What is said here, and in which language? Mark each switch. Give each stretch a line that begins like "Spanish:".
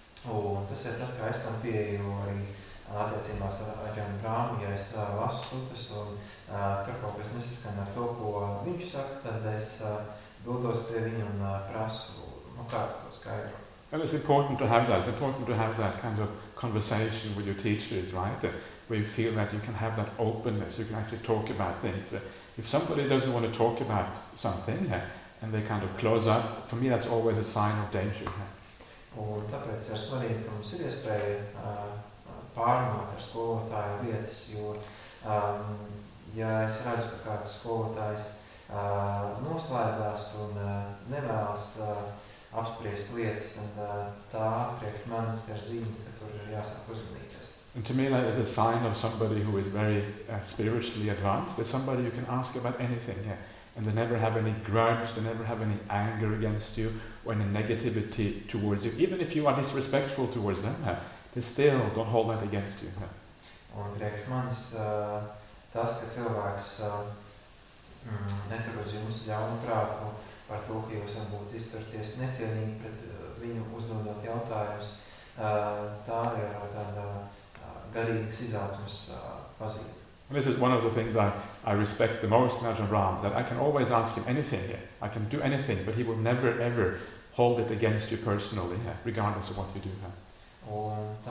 Latvian: Un tas ir tas, kā es tam pieeju arī attiecībās ar Ajahn Brahm, ja es lasu sutras un tur kaut kas nesaskan ar to, ko viņš saka, tad es dodos pie viņa un prasu, nu kā to skaidro.
English: And it's important to have that. It's important to have that kind of conversation with your teachers, right? Where you feel that you can have that openness, you can actually talk about things. If somebody doesn't want to talk about something and they kind of close up, for me that's always a sign of danger.
Latvian: Un tāpēc ir svarīgi, ka mums ir iespēja pārunāt ar skolotāju lietas, jo ja es redzu, ka kāds skolotājs noslēdzās un nevēlas apspriest lietas, tad tā priekš manas ir zīme, ka tur ir jāsāk uzmanīties.
English: And to me, like, it's a sign of somebody who is very spiritually advanced. There's somebody you can ask about anything, yeah. And they never have any grudge, they never have any anger against you or any negativity towards you. Even if you are disrespectful towards them, they still don't hold that against you.
Latvian: Un priekš manis tas, ka cilvēks ne netur uz jums ļaunprāt, nu, par to, ka jūs varbūt izturties necienīgi pret viņu uzdodot jautājumus. Tā ir tāda garīgas izaugsmes pazīme.
English: And this is one of the things I respect the most in Ajahn Brahm, that I can always ask him anything here. I can do anything, but he will never ever hold it against you personally, yeah, regardless of what you do.